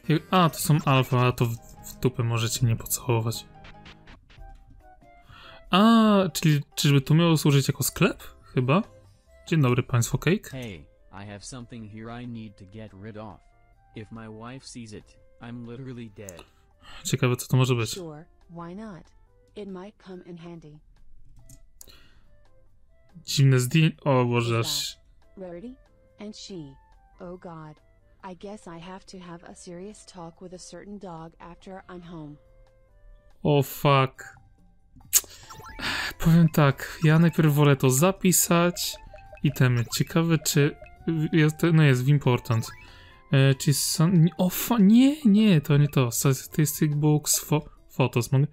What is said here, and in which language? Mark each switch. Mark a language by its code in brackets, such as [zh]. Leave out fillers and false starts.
[pl] A, to są alfa, a to w dupę możecie mnie pocałować. A, czyżby to miało służyć jako sklep? Chyba? Dzień dobry, państwo, Cake. [en] Hey, I have something here I need to get rid of. If my wife sees it, I'm literally dead. [pl] Ciekawe, co to może być. [en] Sure, why not? It might come in handy. [pl] Dziwne zdjęcie. O Boże. [en] Rarity? And she? Oh God. I guess I have to have a serious talk with a certain dog after I'm home. Oh fuck. [pl] Powiem tak, ja najpierw wolę to zapisać. I temy. Ciekawe, czy... No jest, w important. Czy są... O, nie, to nie to. [en] Statistic books, photos.